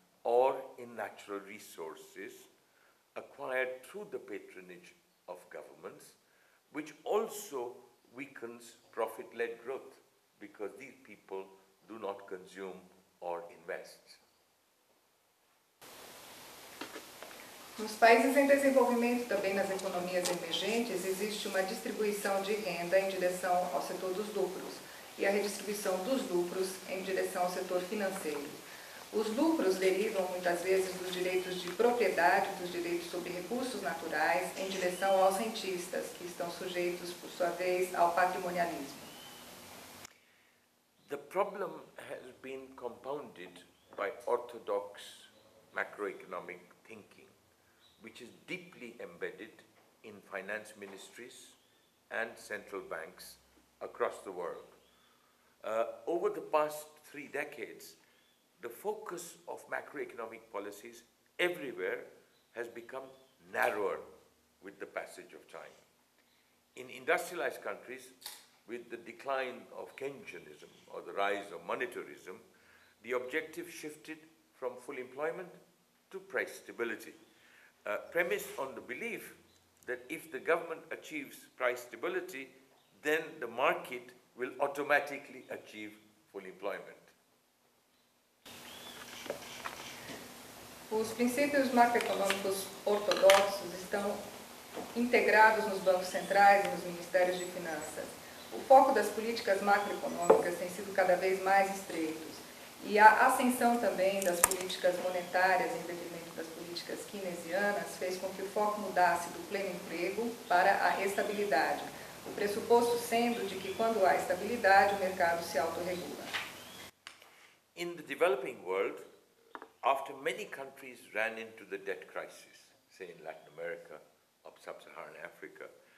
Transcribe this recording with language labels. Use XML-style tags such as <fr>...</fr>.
<en>or in natural resources acquired through the patronage of governments, which also weakens profit-led growth because these people do not consume or invest.</en> <pt>Nos países em desenvolvimento, também nas economias emergentes, existe uma distribuição de renda em direção ao setor dos lucros e a redistribuição dos lucros em direção ao setor financeiro. Os lucros derivam, muitas vezes, dos direitos de propriedade, dos direitos sobre recursos naturais, em direção aos rentistas, que estão sujeitos, por sua vez, ao patrimonialismo.</pt> <en>The problem has been compounded by orthodox macroeconomic thinking, which is deeply embedded in finance ministries and central banks across the world. Over the past three decades, the focus of macroeconomic policies everywhere has become narrower with the passage of time. In industrialized countries, with the decline of Keynesianism or the rise of monetarism, the objective shifted from full employment to price stability. Premised on the belief that if the government achieves price stability, then the market will automatically achieve full employment.</en> <pt>Os princípios macroeconômicos ortodoxos estão integrados nos bancos centrais e nos ministérios de finanças. O foco das políticas macroeconômicas tem sido cada vez mais estreito. E a ascensão também das políticas monetárias em detrimento das políticas keynesianas fez com que o foco mudasse do pleno emprego para a estabilidade, o pressuposto sendo de que quando há estabilidade, o mercado se autorregula.</pt> <en>In the developing world, after many countries ran into the debt crisis, say in Latin America or sub-Saharan Africa,</en>